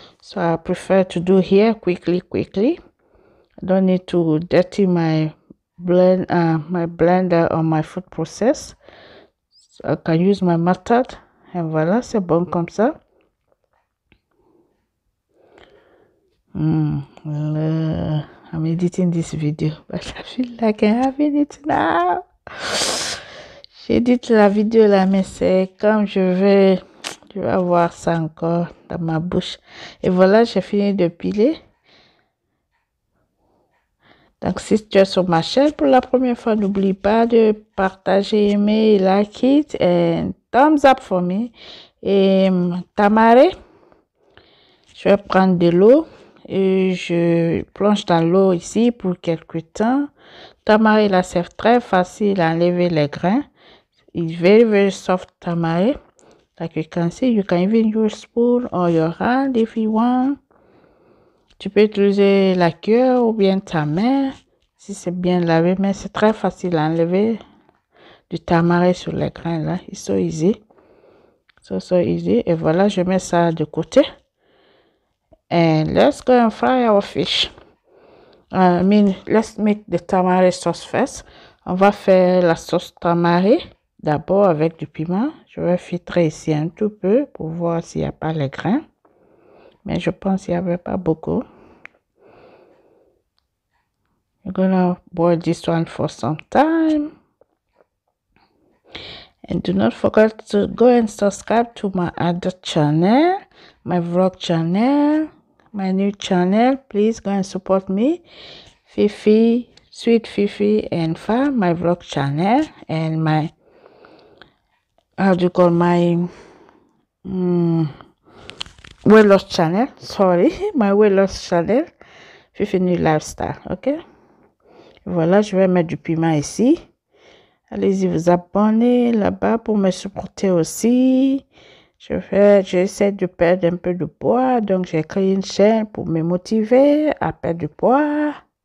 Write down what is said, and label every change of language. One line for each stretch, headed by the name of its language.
English: So, I prefer to do here quickly. I don't need to dirty my blender or my food process. So I can use my mustard and
French: voilà, c'est bon comme ça.
English: Well, I'm editing this video, but I feel like I'm having it now.
French: J'édite la vidéo là, mais c'est comme je vais avoir ça encore dans ma bouche. Et voilà, j'ai fini de piler. Donc, si tu es sur ma chaîne pour la première fois, n'oublie pas de partager, aimer,
English: like it, and thumbs up for me.
French: Et tamari, je vais prendre de l'eau et je plonge dans l'eau ici pour quelques temps. Tamari, là, c'est très facile à enlever les grains.
English: It's very, very soft tamari. Like you can see, you can even use spoon or your hand if you want.
French: Tu peux utiliser la cuillère ou bien ta main si c'est bien lavé, mais c'est très facile à enlever du tamari sur les grains là.
English: It's so easy. So easy.
French: Et voilà, je mets ça de côté.
English: And let's go and fry our fish. Let's make the tamari sauce first.
French: On va faire la sauce tamari d'abord avec du piment. Je vais filtrer ici un tout peu pour voir s'il n'y a pas les grains. Mais je pense qu'il n'y avait pas beaucoup.
English: We're gonna boil this one for some time. And do not forget to go and subscribe to my other channel. my vlog channel, my new channel. Please go and support me, Fifi, Sweet Fifi and Fa, my vlog channel, and my, how do you call, my weight loss channel, sorry, my weight loss channel, Fifi New Lifestyle.
French: Ok, voilà, je vais mettre du piment ici. Allez-y, vous abonnez là-bas pour me supporter aussi. J'essaie de perdre un peu de poids. Donc, j'ai créé une chaîne pour me motiver à perdre du poids.